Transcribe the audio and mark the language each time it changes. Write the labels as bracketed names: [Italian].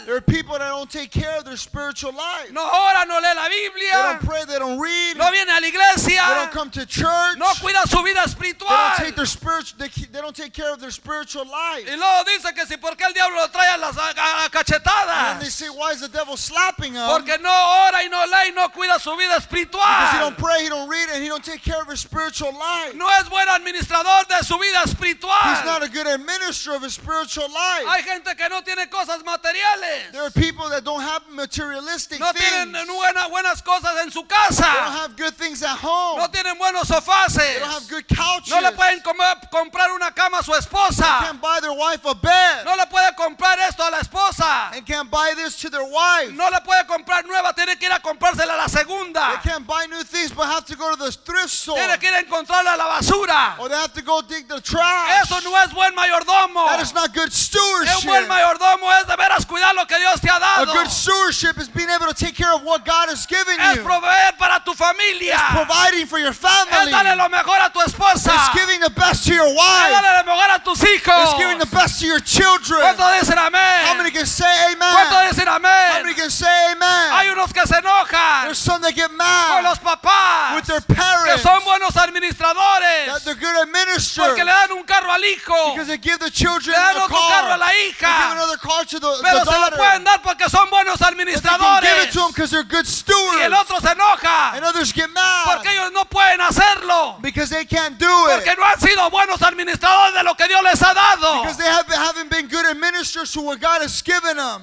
[English] There are people that don't take care of their spiritual life. [Spanish] No ora, no lee la Biblia. [English] They don't pray, they don't read. [Spanish] No viene a la iglesia. [English] They don't come to church. [Spanish] No cuida su vida espiritual. [English] They don't take their they don't take care of their spiritual life. [Spanish] Y luego dice que si por qué el diablo lo trae a las cachetadas. [English] And they say, why is the devil slapping him? [Spanish] Porque no ora y no lee y no cuida su vida espiritual. [English] Because he don't pray, he don't read, and he don't take care of his spiritual life. [Spanish] No es buen administrador de su vida espiritual. [English] He's not a good administrator of his spiritual life. Life. [Spanish] Hay gente que no tiene cosas materiales. [English] There are people that don't have materialistic [Spanish] no [English] things. [Spanish] Tienen buenas cosas en su casa. [English] They don't have good things at home. [Spanish] No tienen buenos sofás. [English] They don't have good couches. [Spanish] No le pueden comprar una cama a su esposa. [English] They can't buy their wife a bed. [Spanish] No le puede comprar esto a la esposa. [English] They can't buy this to their wife. [Spanish] No le puede comprar nueva. Tiene que ir a comprársela a la segunda. [English] They can't buy new things but have to go to the thrift store. [Spanish] Tiene que ir a encontrarla a la basura. [English] Or they have to go dig the trash. [Spanish] Eso no es buen mayordomo. [English] That is not good stewardship. [Spanish] El buen mayordomo es de veras cuidar lo que Dios te ha dado. [English] A good stewardship is being able to take care of what God has given you. [Spanish] Es proveer para tu familia. [English] It's providing for your family. [Spanish] Es darle lo mejor a tu esposa. [English] It's giving the best to your wife. [Spanish] Es darle lo mejor a tus hijos. [English] It's giving the best to your children. [Spanish] ¿Cuánto dicen amén? [English] How many can say amen? [Spanish] ¿Cuánto dicen amén? [English] How many can say amen? [Spanish] Hay unos que se enojan. [English] There's some that get mad. [Spanish] Con los papás. [English] With their parents. [Spanish] Que son buenos administradores. administradores. [English] That they're good administrators. [Spanish] Porque le dan un carro al hijo. [English] Because they give the children [Spanish] le dan [English] a [Spanish] otro [English] car. [Spanish] Carro a la hija. [English] They give another car to the daughter. [Spanish] Pero se lo pueden dar porque son buenos administradores. [English] They can give it to them because they're good stewards. [Spanish] Y el otro se enoja. [English] And others get mad. [Spanish] Porque ellos no pueden hacerlo. [English] Because they can't do it. [Spanish] Porque no han sido buenos administradores de lo que Dios les ha dado. [English] Because they haven't been good administrators to what God has given them.